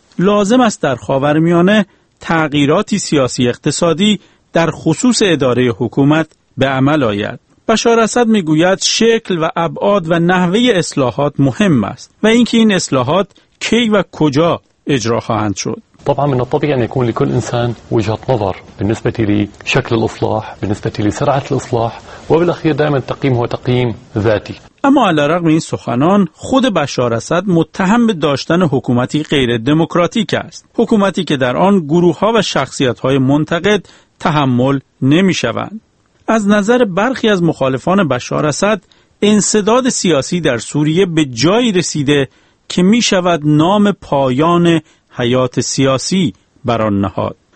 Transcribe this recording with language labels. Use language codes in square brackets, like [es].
[fa] لازم است در خاورمیانه تغییراتی سیاسی اقتصادی در خصوص اداره حکومت به عمل آید. بشار اسد میگوید شکل و ابعاد و نحوه اصلاحات مهم است و اینکه این اصلاحات کی و کجا اجرا خواهند شد. [ar] طبعا من الطبيعي ان يكون لكل انسان وجهه نظر بالنسبه لشكل الاصلاح بالنسبه لسرعه الاصلاح وبالاخير دائما تقييم هو تقييم ذاتي. [fa] اما على رغم این سخنان خود بشار اسد متهم به داشتن حکومتی غیر دموکراتیک است، حکومتی که در آن گروه‌ها و شخصیت‌های منتقد تحمل نمی‌شوند. از نظر برخی از مخالفان بشار اسد انسداد سیاسی در سوریه به جایی رسیده که می‌شود نام پایان حیات سیاسی بر آن نهاد.